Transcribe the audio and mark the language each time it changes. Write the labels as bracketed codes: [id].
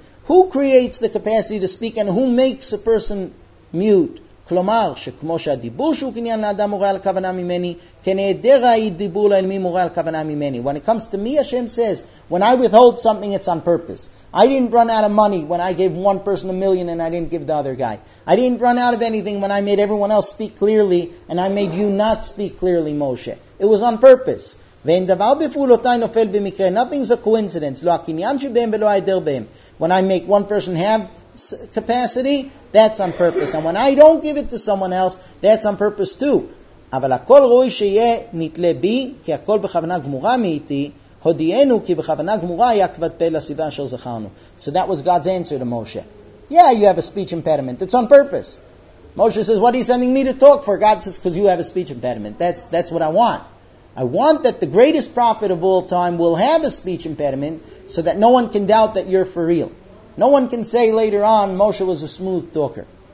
[en] Who creates the capacity to speak and who makes a person mute? [he] כלומר, שכמו שהדיבור שהוא קניין לאדם מורה על כוונה ממני, כנעדר העיד דיבור לאלמי מורה על כוונה ממני. [en] When it comes to me, Hashem says, when I withhold something, it's on purpose. I didn't run out of money when I gave one person $1 million and I didn't give the other guy. I didn't run out of anything when I made everyone else speak clearly and I made you not speak clearly, Moshe. It was on purpose. [he] ואין דבר בפעולותי נופל במקרה. [en] Nothing's a coincidence. [he] לא הקניין שבהם ולא העדר בהם. [en] When I make one person have capacity, that's on purpose. And when I don't give it to someone else, that's on purpose too. [he] אבל הכל ראוי שיהיה נתלה בי, כי הכל בכוונה גמורה מאיתי, הודיענו כי בכוונה גמורה היה כבד פה לסיבה אשר זכרנו. [en] So that was God's answer to Moshe. Yeah, you have a speech impediment. It's on purpose. Moshe says, what are you sending me to talk for? God says, because you have a speech impediment. That's what I want. I want that the greatest prophet of all time will have a speech impediment so that no one can doubt that you're for real. No one can say later on, Moshe was a smooth talker.